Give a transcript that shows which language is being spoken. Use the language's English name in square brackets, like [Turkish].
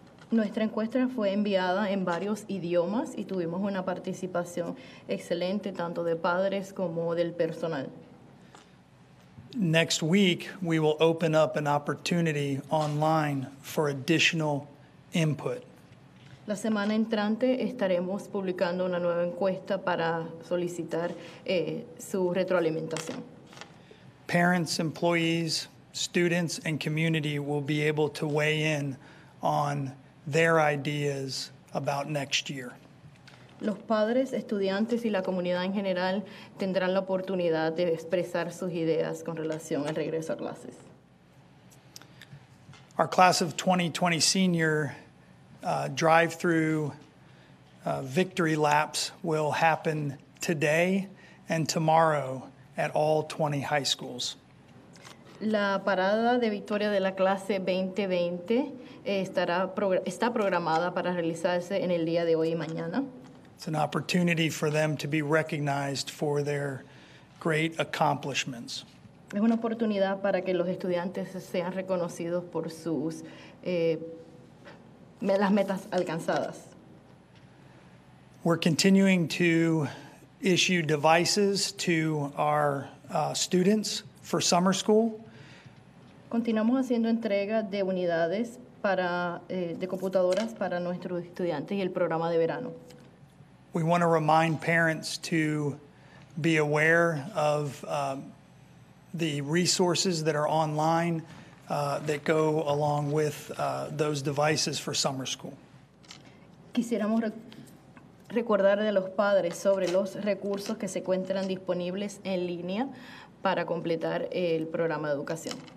[Spanish] Nuestra encuesta fue enviada en varios idiomas y tuvimos una participación excelente tanto de padres como del personal. [English] Next week, we will open up an opportunity online for additional input. [Spanish] La semana entrante estaremos publicando una nueva encuesta para solicitar su retroalimentación. [English] Parents, employees, students, and community will be able to weigh in on their ideas about next year. [Spanish] Los padres, estudiantes y la comunidad en general tendrán la oportunidad de expresar sus ideas con relación al regreso a clases. [English] Our class of 2020 senior drive-through victory laps will happen today and tomorrow at all 20 high schools. [Spanish] La parada de victoria de la clase 2020 está programada para realizarse en el día de hoy y mañana. [English] It's an opportunity for them to be recognized for their great accomplishments. [Spanish] Es una oportunidad para que los estudiantes sean reconocidos por sus las metas alcanzadas. [English] We're continuing to issue devices to our students for summer school. [Spanish] Continuamos haciendo entrega de unidades para de computadoras para nuestros estudiantes y el programa de verano. [English] We want to remind parents to be aware of the resources that are online that go along with those devices for summer school. [Spanish] Quisiéramos recordar de los padres sobre los recursos que se encuentran disponibles en línea para completar el programa de educación.